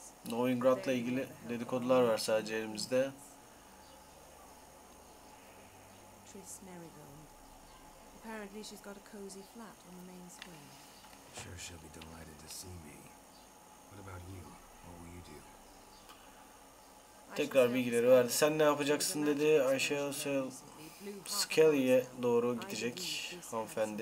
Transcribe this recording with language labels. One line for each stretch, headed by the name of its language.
Turkish: Novigrad'la ilgili dedikodular var sadece elimizde. Triss Merigold.
English: Apparently she's got a cozy flat on the main square. Sure she'll be delighted to see me. What about you? What will you do?
Turkish: Tekrar bilgileri verdi. Sen ne yapacaksın dedi. Aşağı Skelly'e doğru gidecek hanımefendi.